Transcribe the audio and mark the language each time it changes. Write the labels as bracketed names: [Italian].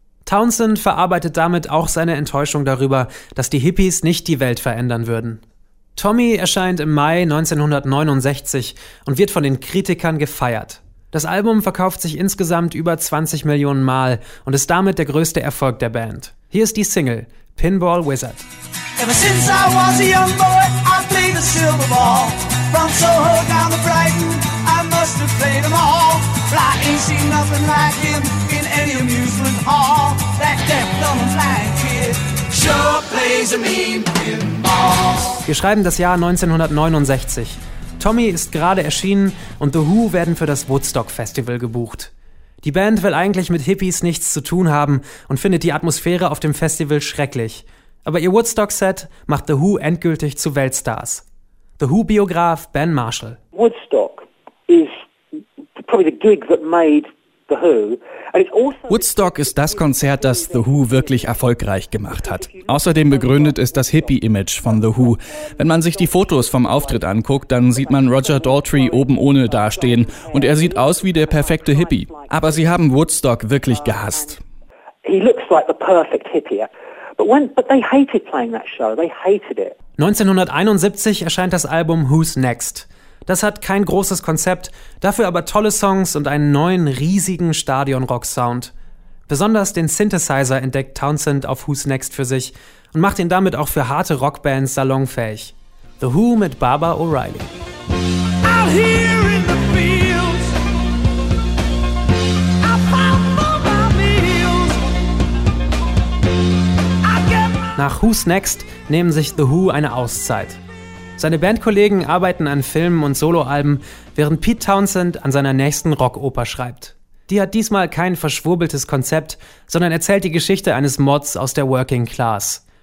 [German] Townsend verarbeitet damit auch seine Enttäuschung darüber, dass die Hippies nicht die Welt verändern würden. Tommy erscheint im Mai 1969 und wird von den Kritikern gefeiert. Das Album verkauft sich insgesamt über 20 Millionen Mal und ist damit der größte Erfolg der Band. Hier ist die Single, Pinball Wizard. [English] Ever since I was a young boy, I played the silver ball. From Soho down to Brighton, I must have played them all. But I ain't seen nothing like him in any amusement hall. That death on the blind kid sure plays a mean pinball. [German] Wir schreiben das Jahr 1969. Tommy ist gerade erschienen und The Who werden für das Woodstock Festival gebucht. Die Band will eigentlich mit Hippies nichts zu tun haben und findet die Atmosphäre auf dem Festival schrecklich. Aber ihr Woodstock-Set macht The Who endgültig zu Weltstars. The Who-Biograf Ben Marshall. [English] Woodstock is probably the gig that made The Who. [German] Woodstock ist das Konzert, das The Who wirklich erfolgreich gemacht hat. Außerdem begründet es das Hippie-Image von The Who. Wenn man sich die Fotos vom Auftritt anguckt, dann sieht man Roger Daltrey oben ohne dastehen und er sieht aus wie der perfekte Hippie. Aber sie haben Woodstock wirklich gehasst. [English] He looks like the perfect hippie. But they hated playing that show. They hated it. [German] 1971 erscheint das Album Who's Next. Das hat kein großes Konzept, dafür aber tolle Songs und einen neuen, riesigen Stadion-Rock-Sound. Besonders den Synthesizer entdeckt Townsend auf Who's Next für sich und macht ihn damit auch für harte Rockbands salonfähig. The Who mit Barbara O'Reilly. [English] Out here in the fields, I fight for my meals. [German] Nach Who's Next nehmen sich The Who eine Auszeit. Seine Bandkollegen arbeiten an Filmen und Soloalben, während Pete Townsend an seiner nächsten Rockoper schreibt. Die hat diesmal kein verschwurbeltes Konzept, sondern erzählt die Geschichte eines Mods aus der Working Class.